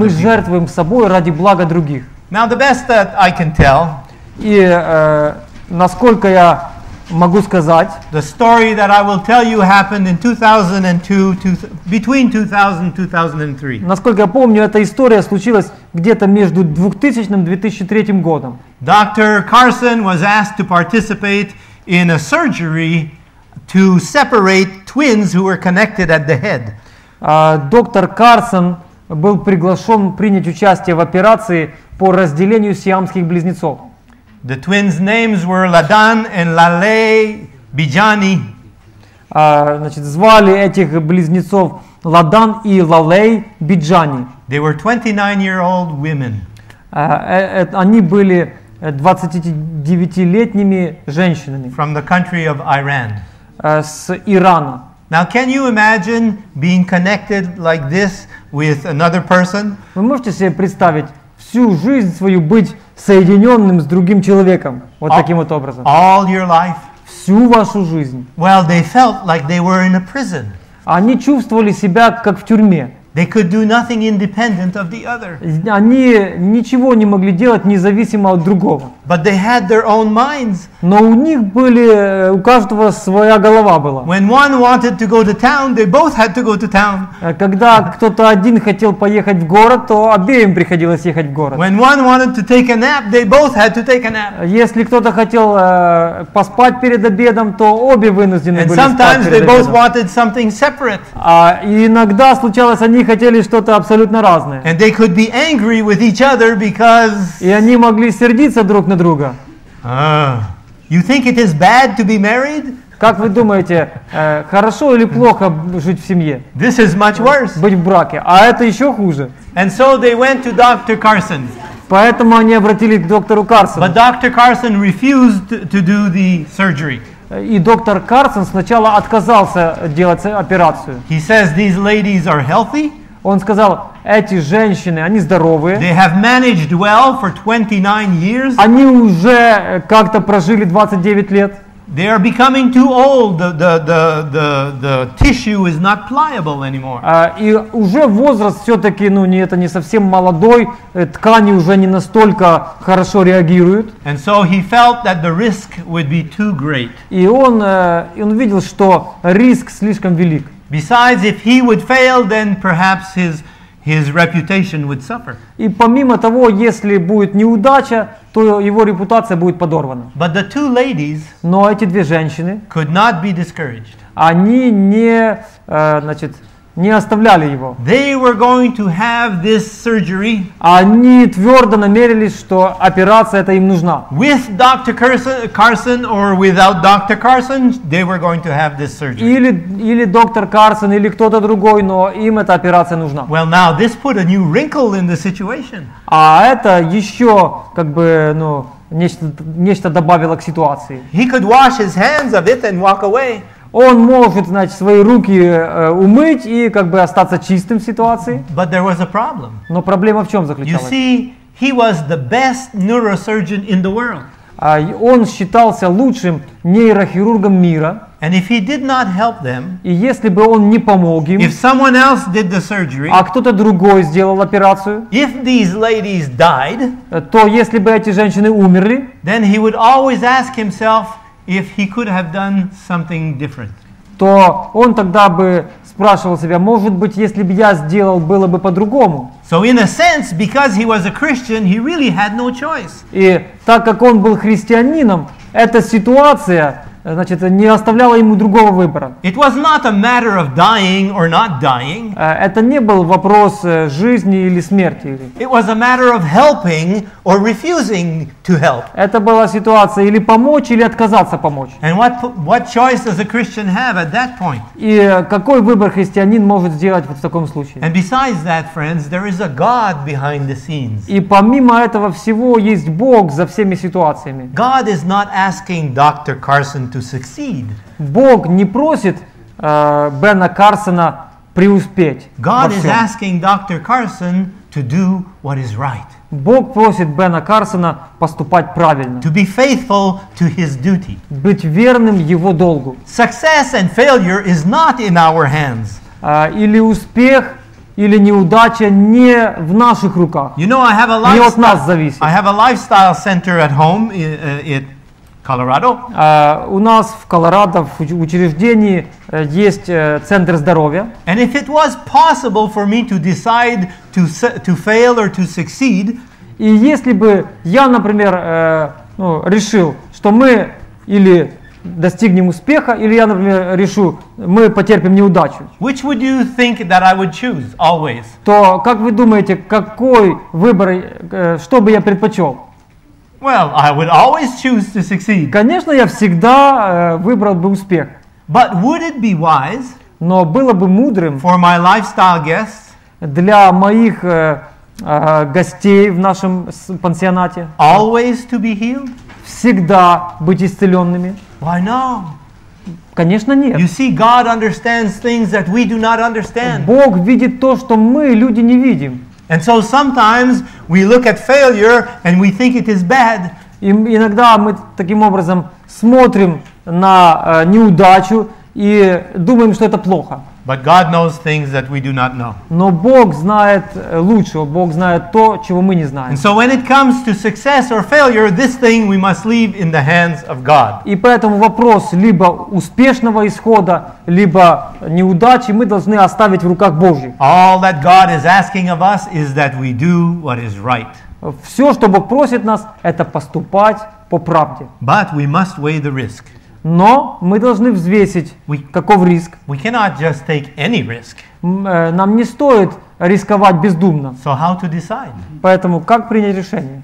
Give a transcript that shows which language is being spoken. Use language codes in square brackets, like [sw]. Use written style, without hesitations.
[ru] Мы жертвуем собой ради блага других. [en] Now, the best that I can tell, [ru] и насколько я могу сказать, [en] the story that I will tell you happened in 2002, between 2000 and 2003. [ru] Насколько я помню, эта история случилась где-то между 2000 и 2003 годом. [en] Dr. Carson was asked to participate in a surgery to separate twins who were connected at the head. [ru] Доктор Карсон был приглашен принять участие в операции по разделению сиамских близнецов. [en] The twins' names were Ladan and Lale Bijani. [ru] Значит, звали этих близнецов Ладан и Лалей Биджани. [en] They were 29-year-old women. [ru] Они были 29-летними женщинами. [en] From the country of Iran. [ru] С Ирана. [en] Now, can you imagine being connected like this with another person? [ru] Вы можете себе представить всю жизнь свою быть соединенным с другим человеком вот таким вот образом? [en] All your life. [ru] Всю вашу жизнь. [en] Well, they felt like they were in a prison. [ru] Они чувствовали себя как в тюрьме. [en] They could do nothing independent of the other. [ru] Они ничего не могли делать независимо от другого. [en] But they had their own minds. [ru] Но у них были, у каждого своя голова была. [en] When one wanted to go to town, they both had to go to town. [ru] Когда кто-то один хотел поехать в город, то обеим приходилось ехать в город. [en] When one wanted to take a nap, they both had to take a nap. [ru] Если кто-то хотел поспать перед обедом, то обе вынуждены [en] And [ru] были [en] sometimes [ru] спать перед [en] they Both wanted something separate. [ru] И иногда случалось, они хотели что-то абсолютно разное. [en] And they could be angry with each other because... [ru] И они могли сердиться друг на друга. [en] You think it is bad to be married? [ru] Как вы думаете, хорошо или плохо жить в семье? [en] This is much worse. [ru] Быть в браке. А это еще хуже. [en] And so they went to Dr. Carson. [ru] Поэтому они обратились к доктору Карсону. [en] But Dr. Carson refused to do the surgery. [ru] И доктор Карсон сначала отказался делать операцию. [en] He says these ladies are healthy. [ru] Он сказал, эти женщины, они здоровые. [en] They have managed well for 29 years. [ru] Они уже как-то прожили 29 лет. [en] They are becoming too old. The tissue is not pliable anymore. [ru] И уже возраст все-таки, ну не это не совсем молодой, ткани уже не настолько хорошо реагируют. [en] And so he felt that the risk would be too great. [ru] И он видел, что риск слишком велик. [en] Besides, if he would fail, then perhaps his reputation would suffer. [ru] И помимо того, если будет неудача, то его репутация будет подорвана. [en] But the two ladies, [ru] но эти две женщины, [en] could not be discouraged. [ru] Они не оставляли его. [en] They were going to have this surgery. [ru] Они твердо намерились, что операция эта им нужна. [en] With Dr. Carson or without Dr. Carson, they were going to have this surgery. [ru] Или доктор Карсон, или кто-то другой, но им эта операция нужна. [en] Well, now this put a new wrinkle in the situation. [ru] А это еще как бы нечто добавило к ситуации. [en] He could wash his hands of it and walk away. [ru] Он может, значит, свои руки умыть и как бы остаться чистым в ситуации. [en] But there was a problem. [ru] Но проблема в чем заключалась? [en] You see, he was the best neurosurgeon in the world. [ru] он считался лучшим нейрохирургом мира. [en] And if he did not help them, [ru] и если бы он не помог им, [en] if someone else did the surgery, [ru] а кто-то другой сделал операцию, [en] if these ladies died, [ru] то если бы эти женщины умерли, [en] then he would always ask himself if he could have done something different. [ru] То он тогда бы спрашивал себя, может быть, если бы я сделал, было бы по-другому. [en] So in a sense, because he was a Christian, he really had no choice. [ru] И так как он был христианином, эта ситуация, значит, не оставляла ему другого выбора. [en] It was not a matter of dying or not dying. [ru] Это не был вопрос жизни или смерти. [en] It was a matter of helping or refusing to help. [ru] Это была ситуация или помочь, или отказаться помочь. [en] And what choice does a Christian have at that point? [ru] И какой выбор христианин может сделать вот в таком случае? [en] And besides that, friends, there is a God behind the scenes. [ru] И помимо этого всего есть Бог за всеми ситуациями. [en] God is not asking Dr. Carson to succeed. [ru] Бог не просит Бена Карсона преуспеть. [en] God is asking Dr. Carson to do what is right. [ru] Бог просит Бена Карсона поступать правильно. [en] To be faithful to his duty. [ru] Быть верным его долгу. [en] Success and failure is not in our hands. [ru] Или успех, или неудача не в наших руках. [en] You know, I have a lifestyle. [ru] Не от нас зависит. [en] I have a lifestyle center at home. Colorado. [ru] У нас в Колорадо в учреждении есть центр здоровья. [en] And if it was possible for me to decide to fail or to succeed, [ru] и если бы я, например, решил, что мы или достигнем успеха, или я, например, решу, мы потерпим неудачу. [en] Which would you think that I would choose always? [ru] То как вы думаете, какой выбор, что бы я предпочел? [en] Well, I would always choose to succeed. [ru] Конечно, я всегда выбрал бы успех. [en] But would it be wise? [ru] Но было бы мудрым [en] for my lifestyle guests? [ru] Для моих гостей в нашем пансионате? [en] Always to be healed? [ru] Всегда быть исцеленными? [en] Why no? [ru] Конечно, нет. [en] You see, God understands things that we do not understand. [ru] Бог видит то, что мы, люди, не видим. [en] And so sometimes we look at failure and we think it is bad. [ru] И иногда мы таким образом смотрим на неудачу и думаем, что это плохо. [en] But God knows things that we do not know. [ru] Но Бог знает лучше, Бог знает то, чего мы не знаем. [en] And so when it comes to success or failure, this thing we must leave in the hands of God. [ru] И поэтому вопрос либо успешного исхода, либо неудачи мы должны оставить в руках Божьих. [en] All that God is asking of us is that we do what is right. [ru] Все, что Бог просит нас, это поступать по правде. [en] But we must weigh the risk. [ru] Но мы должны взвесить, каков риск. [en] We cannot just take any risk. [ru] Нам не стоит рисковать бездумно. [en] So how to decide? [ru] Поэтому как принять решение?